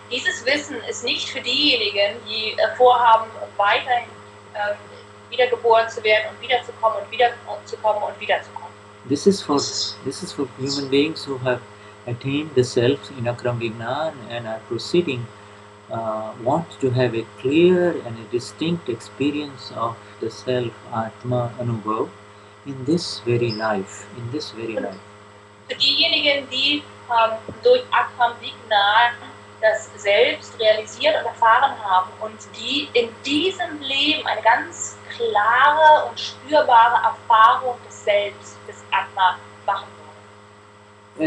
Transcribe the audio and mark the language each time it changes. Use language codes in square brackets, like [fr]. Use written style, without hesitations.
[de] Dieses Wissen ist nicht für diejenigen, die vorhaben, weiterhin wiedergeboren zu werden und wiederzukommen und wiederzukommen und wiederzukommen. [en] This is for human beings who have attained the self in Akram Vignan and are proceeding want to have a clear and a distinct experience of the self, Atma, Anubhav, in this very life, in this very life. [de] Diejenigen, die durch Akram Vignan das Selbst realisiert und erfahren haben und die in diesem Leben eine ganz klare und spürbare Erfahrung des Selbst, des Atma, machen wollen.